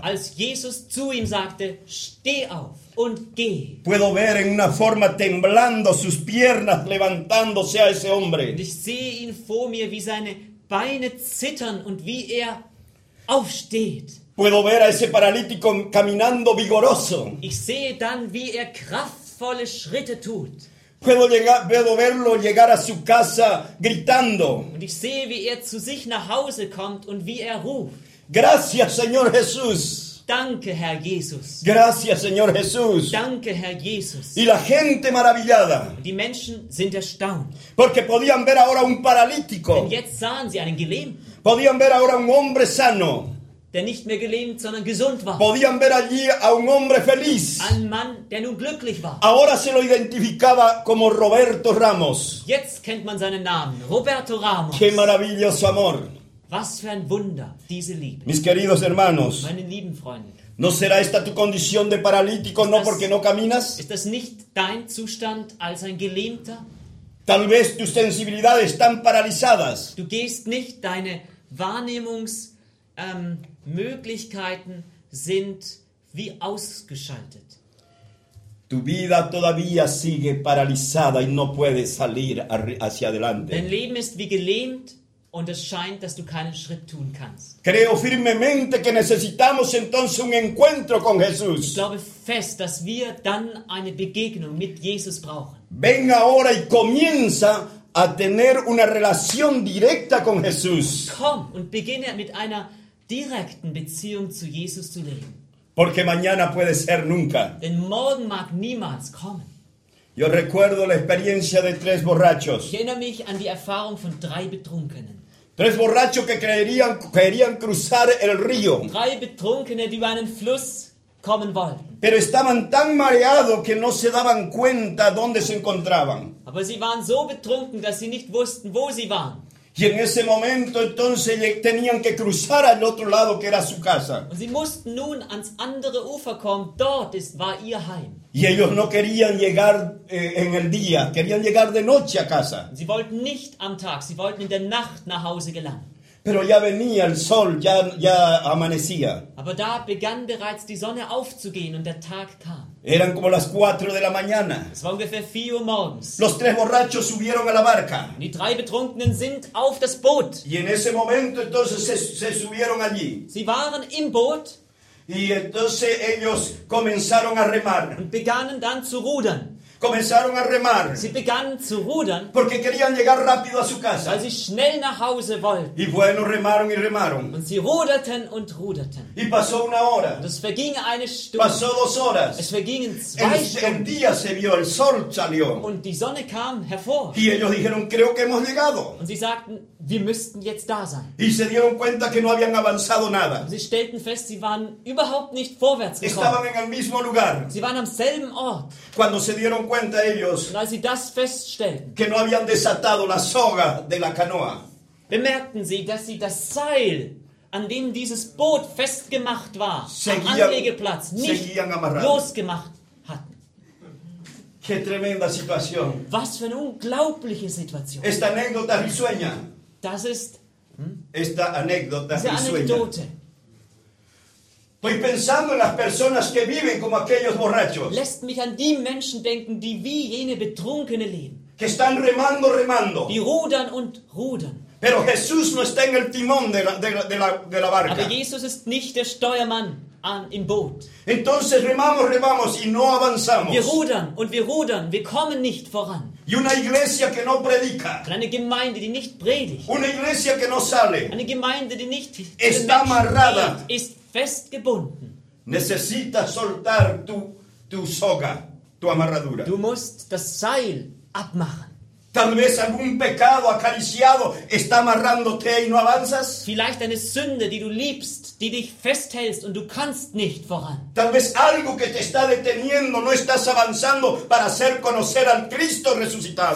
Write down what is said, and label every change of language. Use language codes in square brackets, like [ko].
[de] Als Jesus zu ihm sagte, steh auf und geh. [es] Puedo ver en una forma temblando sus piernas levantándose a ese hombre. [de] Und ich sehe ihn vor mir, wie seine Beine zittern und wie er aufsteht. [es] Puedo ver a ese paralítico caminando vigoroso. [de] Ich sehe dann, wie er kraftvolle Schritte tut. [es] Puedo verlo llegar a su casa gritando. [de] Und ich sehe, wie er zu sich nach Hause kommt und wie er ruft. [es] Gracias, Señor Jesús. [de] Danke, Herr Jesus. [es] Gracias, Señor Jesús. [de] Danke, Herr Jesus. [es] Y la gente maravillada. [de] Und die Menschen sind erstaunt. [es] Porque podían ver ahora un paralítico. [de] Denn jetzt sahen sie einen Gelähmten. [es] Podían ver ahora un hombre sano. [de] Der nicht mehr gelähmt, sondern gesund war. [es] Podían ver allí a un hombre feliz. [de] Ein Mann, der nun glücklich war. [es] Ahora se lo identificaba como Roberto Ramos. [de] Jetzt kennt man seinen Namen, Roberto Ramos. [es] Qué maravilloso amor. [de] Was für ein Wunder, diese Liebe. [es] Mis queridos hermanos. [de] Meine lieben Freunde. [es] ¿No será esta tu condición de paralítico, no porque no caminas? [de] Ist das nicht dein Zustand als ein Gelähmter? [es] Tal vez tus sensibilidades están paralizadas. [de] Du gehst nicht, deine Wahrnehmungs Möglichkeiten sind wie ausgeschaltet. [es] Tu vida todavía sigue paralizada y no puedes salir hacia adelante. [de] Dein Leben ist wie gelähmt und es scheint, dass du keinen Schritt tun kannst. [es] Creo firmemente que necesitamos entonces un encuentro con Jesús. [de] Ich glaube fest, dass wir dann eine Begegnung mit Jesus brauchen. [es] Ven ahora y comienza a tener una relación directa con Jesús. [de] Komm und beginne mit einer direkten Beziehung zu Jesus zu leben. [es] Porque mañana puede ser nunca. [de] Denn morgen mag niemals kommen. [es] Yo recuerdo la experiencia de tres borrachos. [de] Ich erinnere mich an die Erfahrung von drei Betrunkenen. [es] Tres borrachos que querían cruzar el río. [de] Drei Betrunkene, die über einen Fluss kommen wollten. [es] Pero estaban tan mareados que no se daban cuenta dónde se encontraban. [de] Aber sie waren so betrunken, dass sie nicht wussten, wo sie waren. [es] Y en ese momento entonces tenían que cruzar al otro lado que era su casa. [de] Und sie mussten nun ans andere Ufer kommen, dort war ihr Heim. [es] Y ellos no querían llegar en el día, querían llegar de noche a casa. [de] Sie wollten nicht am Tag, sie wollten in der Nacht nach Hause gelangen. [es] Pero ya venía el sol, ya amanecía. [de] Aber da begann bereits die Sonne aufzugehen und der Tag kam. [es] Eran como las 4 de la mañana. [de] Es war ungefähr 4 Uhr morgens. [es] Los tres borrachos subieron a la barca. [de] Und die drei Betrunkenen sind auf das Boot. [es] Y en ese momento entonces se subieron allí. [de] Sie waren im Boot. [es] Y entonces ellos comenzaron a remar. [de] Und begannen dann zu rudern. [es] Comenzaron a remar. [de] Sie begannen zu rudern. [es] Porque querían llegar rápido a su casa. [de] Weil sie schnell nach Hause wollten. [es] Y bueno, remaron y remaron. [de] Und sie ruderten und ruderten. [es] Y pasó una hora. [de] Und es verging eine Stunde. [es] Pasó dos horas. [de] Es vergingen zwei Stunden. [es] El día se vio, el sol salió. [de] Und die Sonne kam hervor. [es] Y ellos dijeron, creo que hemos llegado. [de] Und sie sagten, wir müssten jetzt da sein. [es] Y se dieron cuenta que no habían avanzado nada. [de] Und sie stellten fest, sie waren überhaupt nicht vorwärts gekommen. [es] Estaban en el mismo lugar. [de] Sie waren am selben Ort. [es] Cuando se dieron cuenta ellos, [de] und als sie das feststellten, [es] que no habían desatado la soga de la canoa, [de] bemerkten sie, dass sie das Seil, an dem dieses Boot festgemacht war, am Anlegeplatz nicht losgemacht hatten. [es] Qué tremenda situación. [de] Was für eine unglaubliche Situation. [es] Esta anécdota risueña. [de] Das ist [es] esta anécdota risueña. [de] Anekdote. [es] Estoy pensando en las personas que viven como aquellos borrachos. [de] Lässt mich an die Menschen denken, die wie jene Betrunkene leben. [es] Que están remando, remando. [de] Die rudern und rudern. [es] Pero Jesús no está en el timón de la barca. [de] Aber Jesus ist nicht der Steuermann im Boot. [es] Entonces remamos, remamos y no avanzamos. [de] Wir rudern und wir rudern, wir kommen nicht voran. [es] Y una iglesia que no predica. [de] Und eine Gemeinde, die nicht predigt. [es] Una iglesia que no sale. [de] Eine Gemeinde, die nicht [es] está amarrada. [de] Ist festgebunden. [es] Necesitas soltar tu soga, tu amarradura. [de] Du musst das Seil abmachen. [es] Tal vez algún pecado acariciado está amarrándote y no avanzas. [de] Vielleicht eine Sünde, die du liebst, die dich festhältst und du kannst nicht voran. [es] Tal vez algo que te está deteniendo, no estás avanzando para hacer conocer al Cristo resucitado.